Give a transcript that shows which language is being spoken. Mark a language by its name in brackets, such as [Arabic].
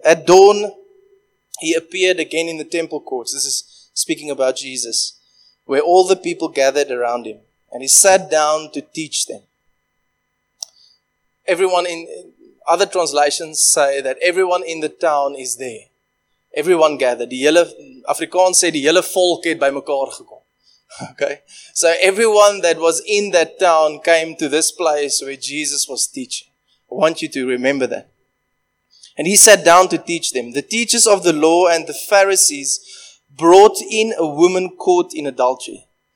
[English] At dawn, he appeared again in the temple courts. This is speaking about Jesus. Where all the people gathered around him. And he sat down to teach them. Everyone in other translations say that everyone in the town is there. Everyone gathered. [Afrikaans] Die hele Afrikaans sê die hele volk het bymekaar gekom. [English] Okay, so everyone that was in that town came to this place where Jesus was teaching. I want you to remember that. And he sat down to teach them. The teachers of the law and the Pharisees brought in a woman caught in adultery.